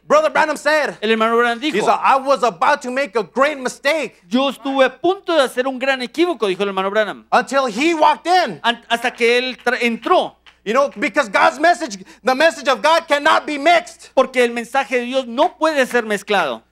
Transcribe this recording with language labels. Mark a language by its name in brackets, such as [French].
[English] Brother Branham said. [Spanish] El hermano Branham dijo. [English] He said, I was about to make a great mistake. [Spanish] Yo estuve a punto de hacer un gran equívoco, dijo el hermano Branham. [English] Until he walked in. [Spanish] Hasta que él entró. [English] You know, because God's message, the message of God cannot be mixed. [Spanish] Porque el mensaje de Dios no puede ser mezclado.